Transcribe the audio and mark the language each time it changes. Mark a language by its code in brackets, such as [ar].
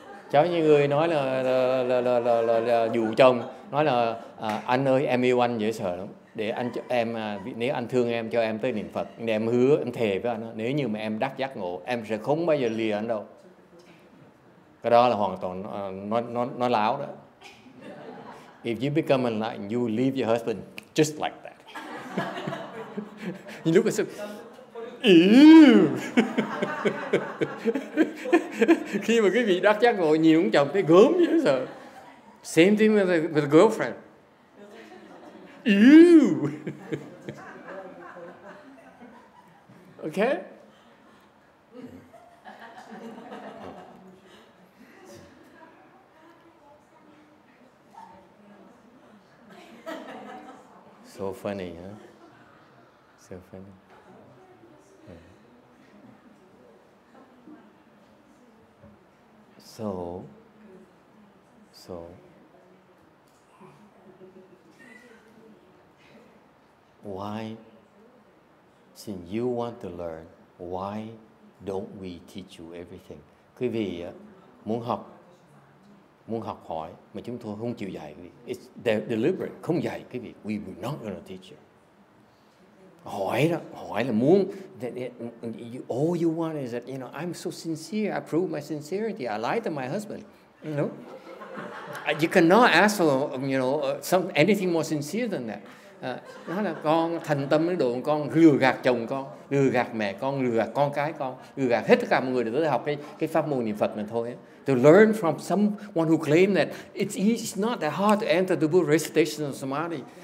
[vi] Cháu như người nói là dù chồng nói là à, anh ơi em yêu anh dễ sợ lắm, để anh cho em à, nếu anh thương em cho em tới niệm Phật, để em hứa em thề với anh nếu như mà em đắc giác ngộ em sẽ không bao giờ lìa anh đâu. Cái đó là hoàn toàn nó láo đó. [en] If you become enlightened, you leave your husband just like that. You look at him. Ew. [vi] Khi mà quý vị đắc giác ngộ nhìn ông chồng thấy gớm dữ sợ. [en] Same thing with a girlfriend. Ew. Okay. So funny, huh? So funny. Yeah. So. Why, since you want to learn, why don't we teach you everything? [vi] Quý vị muốn học hỏi mà chúng tôi không chịu dạy, [en] it's deliberate, [vi] không dạy quý vị, [en] we will not gonna teach you. [vi] Hỏi là muốn [en] that it, you, all you want is that, you know, I'm so sincere, I prove my sincerity, I lied to my husband, you know. You cannot ask for, you know, anything more sincere than that. [vi] Nói là con thành tâm đến độ con lừa gạt chồng con, lừa gạt mẹ con, lừa gạt con cái con, lừa gạt hết tất cả mọi người để tới học cái pháp môn niệm Phật này thôi. [en] To learn from someone who claim that it's not that hard to enter the Buddha recitation of samadhi.